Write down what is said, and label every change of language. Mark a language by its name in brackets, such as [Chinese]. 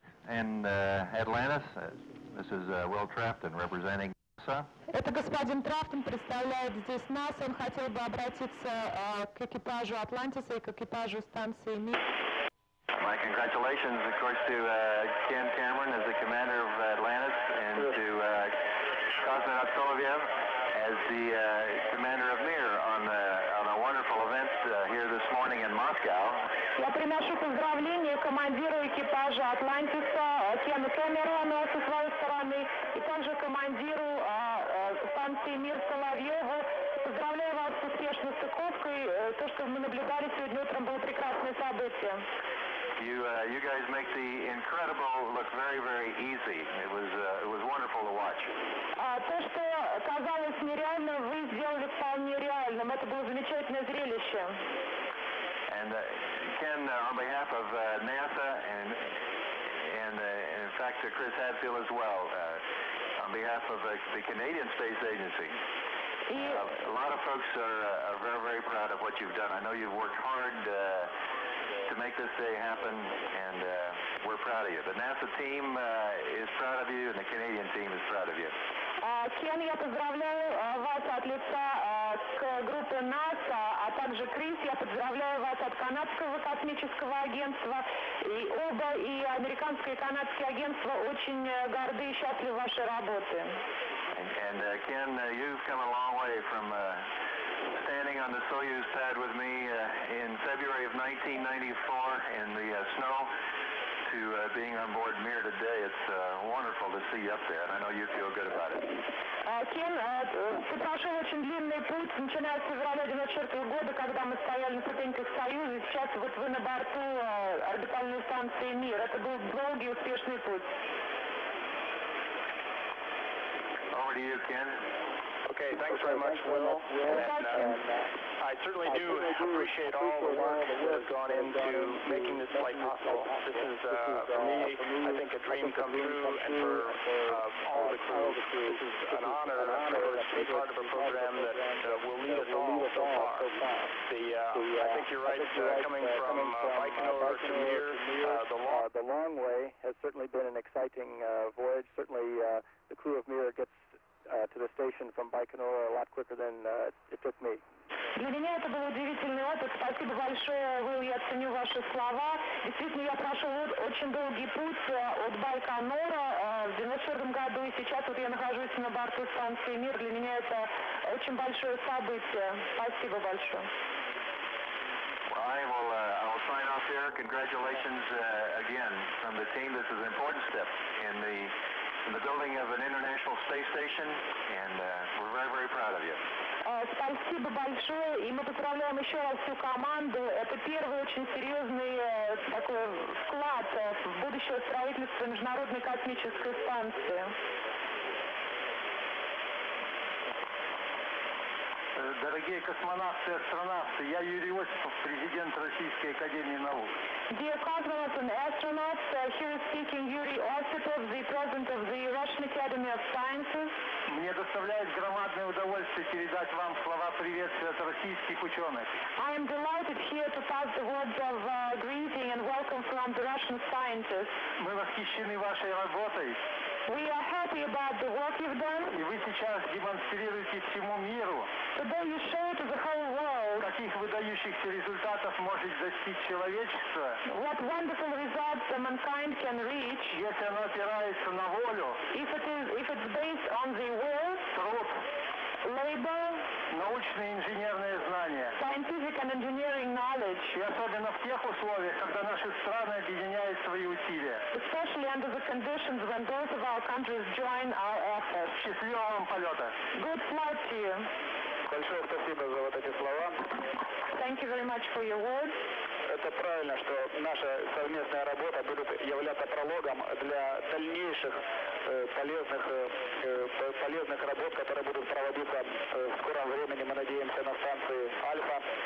[English] in Atlantis. This is Will Trafton representing NASA. [Russian] Это господин Трафтон представляет здесь НАСА. Он хотел бы обратиться к экипажу Атлантиса и к экипажу станции МИ. [English] My congratulations, of course, to Ken Cameron as the commander of Atlantis and to Cosmonaut Soloviev as the commander of Mir on a wonderful event here this morning in Moscow. [Russian] Я приношу поздравления командиру экипажа Атлантиса Кену Кэмерону со своей стороны и также командиру станции Мир Соловьеву. Поздравляю вас с успешной стыковкой. То, что мы наблюдали сегодня утром, было прекрасное событие. [English] You guys make the incredible look very, very easy. It was wonderful to watch. [Russian] То, что казалось нереальным, вы сделали вполне реальным. Это было замечательное зрелище. [English] And Ken, on behalf of NASA and in fact Chris Hadfield as well, on behalf of the Canadian Space Agency. A lot of folks are very, very proud of what you've done. I know you've worked hard to make this day happen, and we're proud of you. The NASA team is proud of you, and the Canadian team is proud of you. [Russian] Кен, я поздравляю вас от лица к группе НАСА, а также Крис, я поздравляю вас от Канадского космического агентства. И оба, и американское, и канадское агентство очень горды и счастливы вашей работы. [English] And Ken, you've come a long way from standing on the Soyuz pad with me in February of 1994 in the snow to being on board Mir today. It's wonderful to see you up there, and I know you feel good about it. [Russian] Кен, ты прошел очень длинный путь, начиная с февраля 94 года, когда мы стояли на ступеньках Союза, и сейчас вот вы на борту орбитальной станции Мир. Это был долгий, успешный путь. [English] Over to you, Ken. Okay, thanks very much, Will. I certainly do appreciate all the work that has gone into making this flight possible. This is, for me, I think, a dream come true, and for all the crew, this is an honor and a privilege to be part of a program that will lead us all so far. I think you're right, coming from Baikonur to Mir, the long way has certainly been an exciting voyage. Certainly, the crew of Mir gets to the station from Baikonur a lot quicker than it took me. [Russian] Для меня это был удивительный опыт. Спасибо большое, Уилл, я ценю ваши слова. Действительно, я прошел очень долгий путь от Байконура в 94 году, и сейчас вот я нахожусь на борту станции Мир. Для меня это очень большое событие. Спасибо большое. [English] I will sign off here. Congratulations again from the team. This is an important step in the building of an international space station, and we're very, very proud of you. [Russian] Спасибо большое, и мы поздравляем еще раз всю команду. Это первый очень серьезный такой вклад в будущее строительства Международной космической станции. Дорогие космонавты, астронавты, я Юрий Осипов, президент Российской Академии Наук. [English] Dear cosmonauts and astronauts, here is speaking Yuri Osipov, the president of the Russian Academy of Sciences. [Russian] Мне доставляет громадное удовольствие передать вам слова приветствия от российских ученых. [English] I am delighted here to pass the words of greeting and welcome from the Russian scientists. [Russian] Мы восхищены вашей работой. [English] We are happy about the work you've done. [Russian] И вы сейчас демонстрируете всему миру. [English] Today you show to the whole world. [Russian] Каких выдающихся результатов может достичь человечество. [English] What wonderful results the mankind can reach. [Russian] Если оно опирается на волю. [English] If it's based on the will. [Russian] Труд. [English] Labor. [Russian] Научные и инженерные знания. [English] Scientific and engineering knowledge. [Russian] И особенно в тех условиях, когда наши страны объединяют свои усилия. [English] Especially under the conditions when both of our countries join our efforts. [Russian] Счастливого вам полета. [English] Good flight to you. [Russian] Большое спасибо за вот эти слова. [English] Thank you very much for your words. [Russian] Это правильно, что наша совместная работа будет являться прологом для дальнейших полезных работ, которые будут проводиться в скором времени, мы надеемся, на станции Альфа.